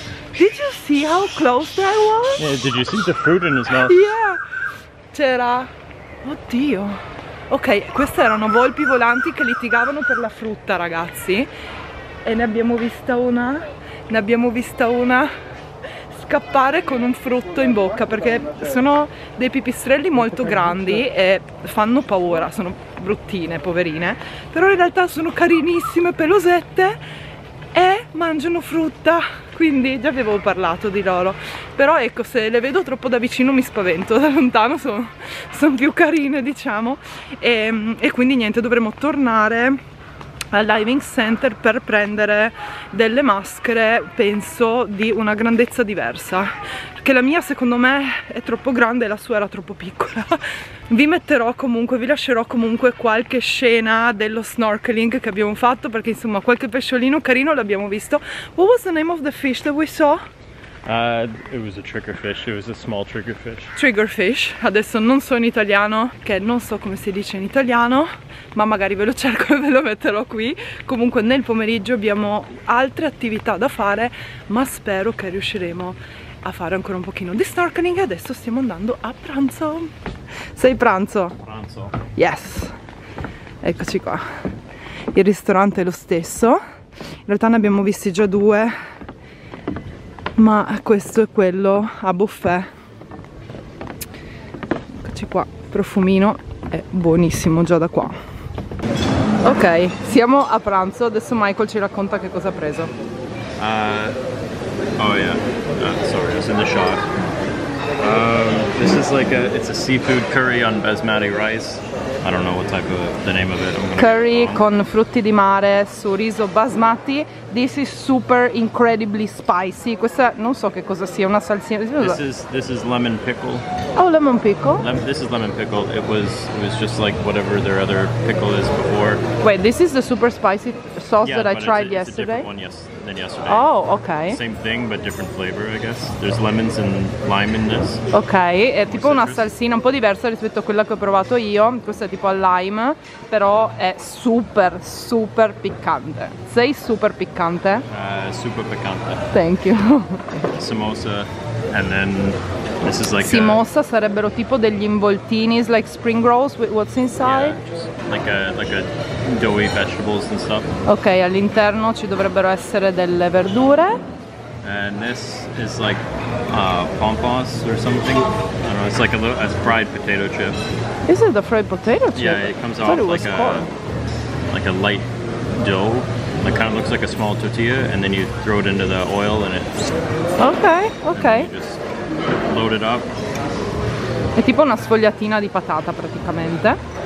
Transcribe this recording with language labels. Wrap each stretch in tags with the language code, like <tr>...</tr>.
<en>Did you see how close that was? Yeah, did you see the food in his mouth? Yeah!</en> <it>C'era... Oddio! Ok, queste erano volpi volanti che litigavano per la frutta, ragazzi. E ne abbiamo vista una... Ne abbiamo vista una... scappare con un frutto in bocca, perché sono dei pipistrelli molto grandi e fanno paura, sono bruttine, poverine. Però in realtà sono carinissime, pelosette e mangiano frutta. Quindi già avevo parlato di loro. Però ecco, se le vedo troppo da vicino mi spavento, da lontano sono più carine, diciamo. E quindi niente, dovremo tornare al diving center per prendere delle maschere, penso, di una grandezza diversa. Perché la mia, secondo me, è troppo grande e la sua era troppo piccola. Vi metterò comunque, vi lascerò comunque qualche scena dello snorkeling che abbiamo fatto, perché insomma qualche pesciolino carino l'abbiamo visto.</it> <en>What was the name of the fish that we saw? It was a trigger fish, it was a small trigger fish.</en> <it>Trigger fish, adesso non so in italiano, che non so come si dice in italiano, ma magari ve lo cerco e ve lo metterò qui. Comunque nel pomeriggio abbiamo altre attività da fare, ma spero che riusciremo a fare ancora un pochino di snorkeling. Adesso stiamo andando a pranzo. Sei pranzo? Pranzo.</it> <en>Yes.</en> <it>Eccoci qua. Il ristorante è lo stesso. In realtà ne abbiamo visti già due, ma questo è quello a buffet. Eccoci qua, profumino è buonissimo già da qua. Ok, siamo a pranzo, adesso Michael ci racconta che cosa ha preso.</it> <en>Sorry, it's in the shot. This is like it's a seafood curry on basmati rice. I don't know what type of the name of it.</en> <it>Curry con frutti di mare su riso basmati.</it> <en>This is super incredibly spicy.</en> <it>Questa non so che cosa sia, una salsina.</it> <en>This is lemon pickle. Oh, lemon pickle. This is lemon pickle. It was just like whatever their other pickle is before. Wait, this is the super spicy sauce, yeah, that I tried yesterday. Oh, okay. Same thing but different flavor, I guess. There's lemons and lime in this.</en> <it>Okay, è tipo una salsina un po' diversa rispetto a quella che ho provato io. Questa è tipo al lime, però è super super piccante. Sei super piccante? Super piccante.</it> <en>Thank you. Samosa and then this is like</en> <it>Samosa sarebbero tipo degli involtini,</it> <en>like spring rolls with what's inside? Yeah, just like a doughy vegetables and stuff.</en> <it>Okay, all'interno ci dovrebbero essere delle verdure.</it> <en>And this is like pompons or something. I don't know, it's like a fried potato chip. Is it a fried potato chip? Yeah, it comes off like a light dough. It kind of looks like a small tortilla, and then you throw it into the oil and it... Okay, okay. Just load it up.</en> <it>È tipo una sfogliatina di patata, praticamente.</it>